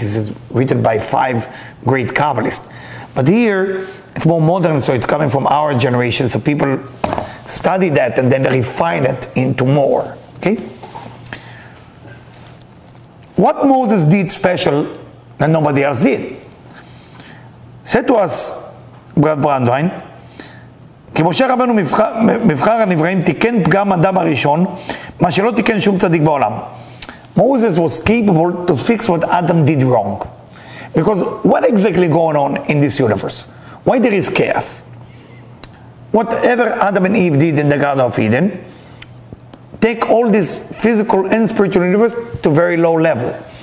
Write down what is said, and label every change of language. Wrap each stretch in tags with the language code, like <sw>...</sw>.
<en>This is written by five great Kabbalists. But here, it's more modern, so it's coming from our generation. So people study that and then refine it into more. Okay? What Moses did special that nobody else did? Said to us,</en> <he>Rav Brandwein, כי משה רבנו מבחר הנבראים תיקן פגם אדם הראשון, מה שלא תיקן שום צדיק בעולם.</he> <en>Moses was capable to fix what Adam did wrong. Because what exactly going on in this universe? Why there is chaos? Whatever Adam and Eve did in the Garden of Eden, take all this physical and spiritual universe to very low level.</en>